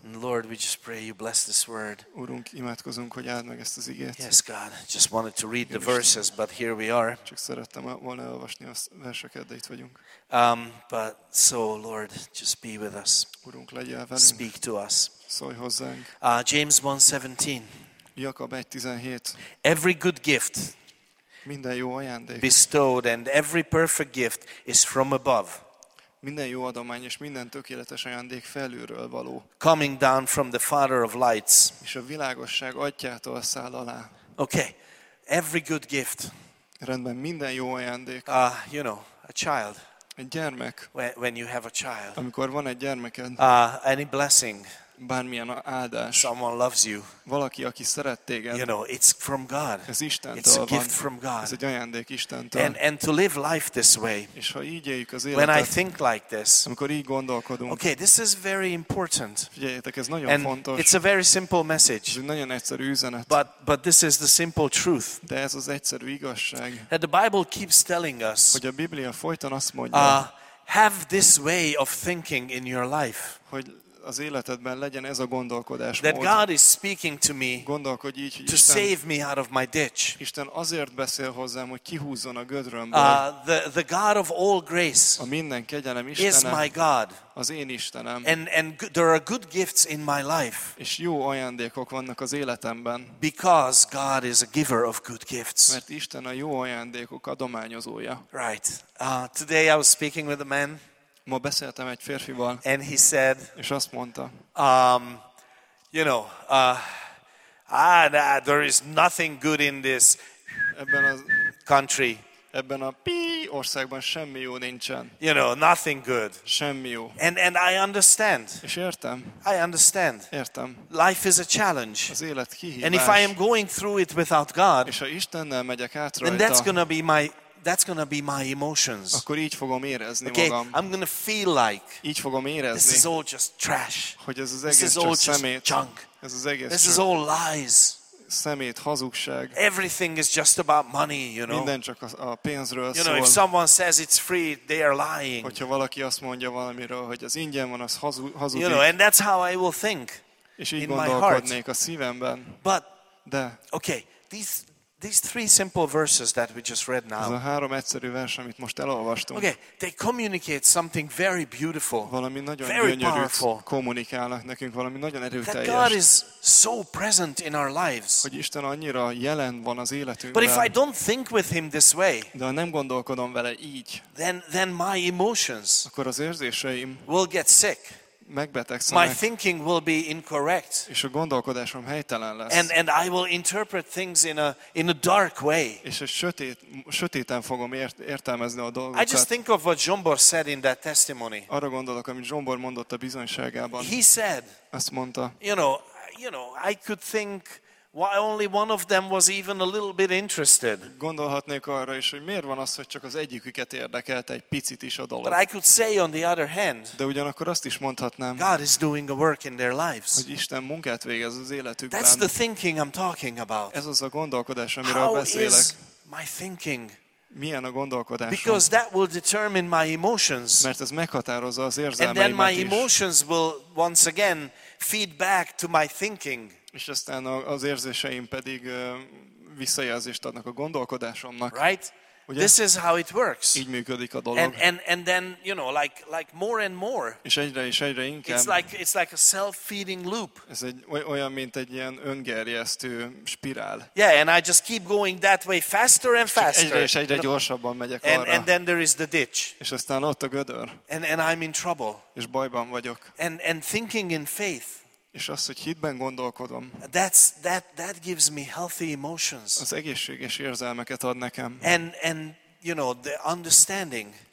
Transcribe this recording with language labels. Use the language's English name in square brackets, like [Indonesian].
[English] Lord, we just pray you bless this word. [Hungarian] Urunk, imádkozunk, hogy áld meg ezt az igét. [English] Yes, God. Just wanted to read the verses, but here we are. [Hungarian] Csak szerettem volna elolvasni a verseket, de itt vagyunk. [English] But so, Lord, just be with us. [Hungarian] Urunk, legyél velünk. [English] Speak to us. [Hungarian] Szólj hozzánk. [English] James 1:17. [Hungarian] Jakab 1:17. [English] Every good gift [Hungarian] minden jó ajándék [English] bestowed and every perfect gift is from above. [Hungarian] Minden jó adomány és minden tökéletes ajándék felülről való. [English] Coming down from the Father of lights. [Hungarian] És a világosság atyától száll alá. [English] Okay. Every good gift. [Hungarian] Rendben, minden jó ajándék. [English] You know, a child. [Hungarian] Egy gyermek. [English] When you have a child. [Hungarian] Amikor van egy gyermeked. [English] Any blessing. [Hungarian] Bármilyen áldás. [English] Someone loves you. [Hungarian] Valaki, aki szeret téged. [English] You know, it's from God. [Hungarian] Ez Istentől van. [English] It's a gift from God. [Hungarian] Ez egy ajándék Istentől. [English] And to live life this way. [Hungarian] És ha így éljük az életet. [English] When I think like this. [Hungarian] Amikor így gondolkodunk. [English] Okay, this is very important. [Hungarian] Figyeljétek, ez nagyon [English] and [Hungarian] fontos. [English] It's a very simple message. [Hungarian] Ez egy nagyon egyszerű üzenet. [English] But this is the simple truth. [Hungarian] De ez az egyszerű igazság. [English] That the Bible keeps telling us. [Hungarian] Hogy a Biblia folyton azt mondja. [English] Have this way of thinking in your life. [Hungarian] Hogy az életedben legyen ez a gondolkodás mód. [English] That God is speaking to me. [Hungarian] Gondolkodj így, [English] to [Hungarian] Isten, [English] save me out of my ditch. [Hungarian] Isten azért beszél hozzám, hogy kihúzzon a gödrömből. [English] The God of all grace. [Hungarian] A minden kegyelem Istenem. [English] Is my God. [Hungarian] Az én Istenem. [English] And there are good gifts in my life. [Hungarian] És jó ajándékok vannak az életemben. [English] Because God is a giver of good gifts. [Hungarian] Mert Isten a jó ajándékok adományozója. [English] Right. Today I was speaking with a man. [Hungarian] Ma beszéltem egy férfival. [English] And he said, [Hungarian] és azt mondta, [English] You know, Ah, nah, there is nothing good in this [Hungarian] ebben a [English] country. [Hungarian] Ebben a pi országban semmi jó nincsen. [English] You know, nothing good. [Hungarian] Semmi jó. [English] And I understand. [Hungarian] És értem. [English] I understand. [Hungarian] Értem. [English] Life is a challenge. [Hungarian] Az élet kihívás. [English] And if I am going through it without God, [Hungarian] és ha Istennel megyek át rajta, [English] then that's gonna be my emotions. [Hungarian] Akkor így fogom érezni [English] okay, [Hungarian] magam. [English] I'm gonna feel like [Hungarian] így fogom érezni. [English] This is all just trash. [Hungarian] Hogy ez az egész csak szemét. [English] Junk. [Hungarian] Ez az egész. [English] This is all lies. [Hungarian] Szemét, hazugság. [English] Everything is just about money, you know. [Hungarian] Minden csak a pénzről [English] you [Hungarian] szól. [English] Know, if someone says it's free, they are lying. [Hungarian] Hogyha valaki azt mondja valamiről, hogy az ingyen van, az hazudik. [English] You know, and that's how I will think. [Hungarian] És így gondolkodnék a szívemben. [English] But [Hungarian] de. [English] Okay, these three simple verses that we just read now. [Hungarian] Ez a három egyszerű vers, amit most elolvastunk. [English] Okay, they communicate something very beautiful. [Hungarian] Valami nagyon gyönyörűt kommunikálnak nekünk, valami nagyon erőteljes. [English] That God is so present in our lives. [Hungarian] Hogy Isten annyira jelen van az életünkben. [English] But if I don't think with him this way, [Hungarian] de ha nem gondolkodom vele így, [English] then my emotions, [Hungarian] akkor az érzéseim [English] will get sick. [Hungarian] Megbetegszem. [English] My thinking will be incorrect. [Hungarian] És a gondolkodásom helytelen lesz. [English] And I will interpret things in a dark way. [Hungarian] És sötéten fogom értelmezni a dolgokat. [English] I just think of what Zsombor said in that testimony. [Hungarian] Arra gondolok, amit Zsombor mondott a bizonyságában. [English] He said, [Hungarian] azt mondta, [English] you know, I could think why only one of them was even a little bit interested. [Hungarian] Gondolhatnék arra is, hogy miért van az, hogy csak az egyiküket érdekelte egy picit is a dolog. [English] But I could say on the other hand, [Hungarian] de ugyanakkor azt is mondhatnám, [English] God is doing a work in their lives. [Hungarian] Hogy Isten munkát végez az életükben. [English] That's the thinking I'm talking about. [Hungarian] Ez az a gondolkodás, amiről beszélek. [English] How is my thinking? [Hungarian] Milyen a gondolkodásom? [English] Because that will determine my emotions. [Hungarian] Mert ez meghatározza az érzelmeimet is. [English] And then my emotions will once again feed back to my thinking. [Hungarian] És aztán az érzéseim pedig visszajelzést adnak a gondolkodásomnak. [English] Right? [Hungarian] Ugye? [English] This is how it works. [Hungarian] Így működik a dolog. [English] And then, you know, like more and more. [Hungarian] És egyre inkább. [English] It's like a self-feeding loop. [Hungarian] Ez egy olyan, mint egy ilyen öngerjesztő spirál. [English] Yeah, and I just keep going that way faster and faster. [Hungarian] Egyre gyorsabban megyek arra. [English] And then there is the ditch. [Hungarian] És aztán ott a gödör. [English] And I'm in trouble. [Hungarian] És bajban vagyok. [English] And thinking in faith. [Hungarian] És az, hogy hitben gondolkodom. [English] That gives me healthy emotions. [Hungarian] Az egészséges érzelmeket ad nekem. [English] And you know, the understanding.